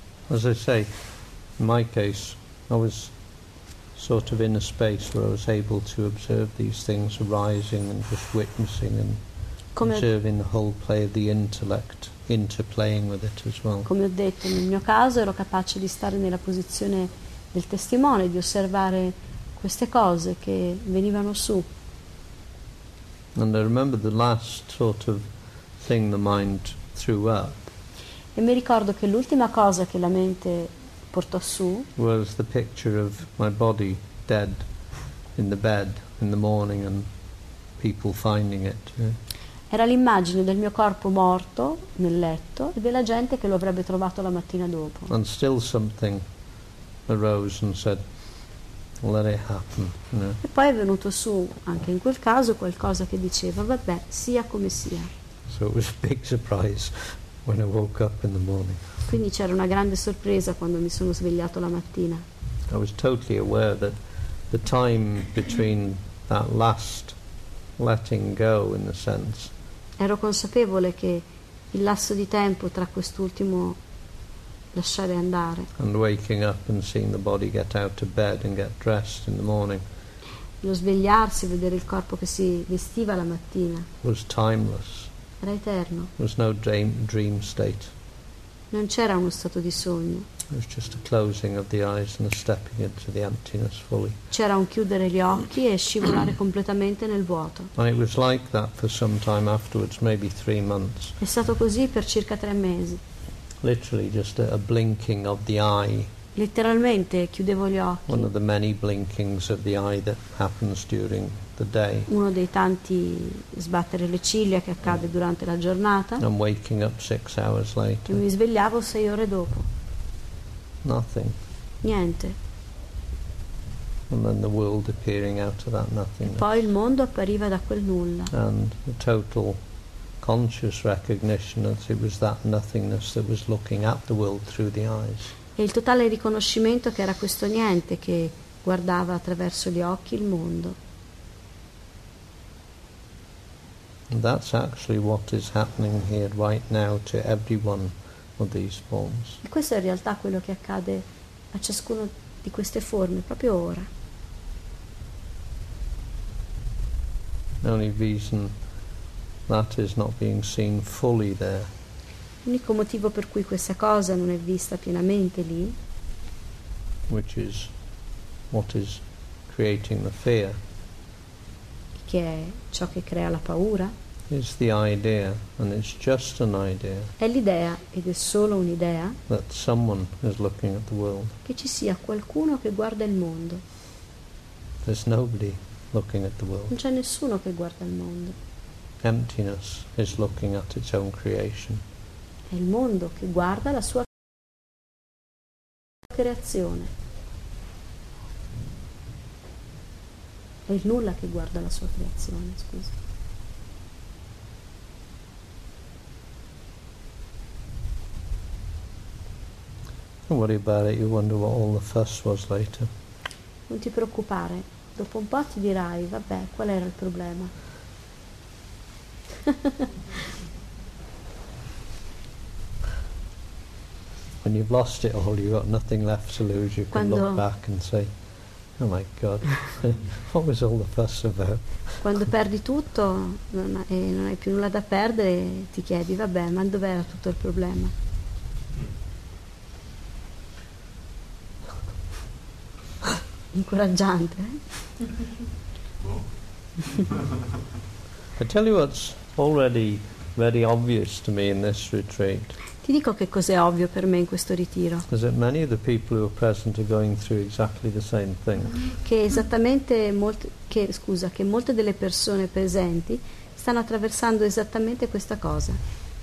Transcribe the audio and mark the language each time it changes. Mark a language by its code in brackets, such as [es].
[en] As I say, in my case, I was sort of in a space where I was able to observe these things arising and just witnessing and observing the whole play of the intellect, interplaying with it as well. [it] Come ho detto, nel mio caso ero capace di stare nella posizione del testimone, di osservare queste cose che venivano su. [en] And I remember the last sort of thing the mind threw up. [it] E mi ricordo che l'ultima cosa che la mente portò su [en] was the picture of my body dead in the bed in the morning and people finding it. [it] Era l'immagine del mio corpo morto nel letto e della gente che lo avrebbe trovato la mattina dopo. [en] And still something arose and said, let it happen, you know. [it] E poi è venuto su anche in quel caso qualcosa che diceva vabbè sia come sia. [en] So it was a big surprise when I woke up in the morning. [it] Quindi c'era una grande sorpresa quando mi sono svegliato la mattina. [en] I was totally aware that the time between that last letting go in the sense. [it] Ero consapevole che il lasso di tempo tra quest'ultimo lasciare andare. [en] And waking up and seeing the body get out of bed and get dressed in the morning. [it] Lo svegliarsi, vedere il corpo che si vestiva la mattina. [en] Was timeless. [it] Era eterno. [en] Was no dream state. [it] Non c'era uno stato di sogno. [en] It was just a closing of the eyes and a stepping into the emptiness fully. [it] C'era un chiudere gli occhi e scivolare completamente nel vuoto. [en] And it was like that for some time afterwards, maybe 3 months. [it] È stato così per circa 3 mesi. [en] Literally just a blinking of the eye. [it] Letteralmente chiudevo gli occhi. [en] One of the many blinkings of the eye that happens during the day. [it] Uno dei tanti sbattere le ciglia che accade durante la giornata. [en] And waking up 6 hours later. [it] E mi svegliavo 6 ore dopo. [en] Nothing. [it] Niente. [en] And then the world appearing out of that nothingness. [it] E poi il mondo appariva da quel nulla. [en] And the total conscious recognition that it was that nothingness that was looking at the world through the eyes. [it] E il totale riconoscimento che era questo niente che guardava attraverso gli occhi il mondo. [en] And that's actually what is happening here right now to every one of these forms. [it] E questo è in realtà quello che accade a ciascuno di queste forme proprio ora. [en] The only reason that is not being seen fully there. [it] L'unico motivo per cui questa cosa non è vista pienamente lì. [en] Which is what is creating the fear. [it] Che è ciò che crea la paura. [en] Is the idea, and it's just an idea. [it] È l'idea ed è solo un'idea. [en] That someone is looking at the world. [it] Che ci sia qualcuno che guarda il mondo. [en] There's nobody looking at the world. [it] Non c'è nessuno che guarda il mondo. [en] Emptiness is looking at its own creation. [it] È il mondo che guarda la sua creazione. È il nulla che guarda la sua creazione, scusa. [en] Don't worry about it, you wonder what all the fuss was later. [it] Non ti preoccupare, dopo un po' ti dirai, vabbè, qual era il problema? [en] When you've lost it all, you've got nothing left to lose, you can look back and say, oh my God, what was all the fuss about? [it] Quando perdi tutto e non hai più nulla da perdere, ti chiedi, vabbè, ma dov'era tutto il problema? Incoraggiante, eh? [en] I tell you what's already very obvious to me in this retreat. [it] Ti dico che cos'è ovvio per me in questo ritiro. Che molte delle persone presenti stanno attraversando esattamente questa cosa.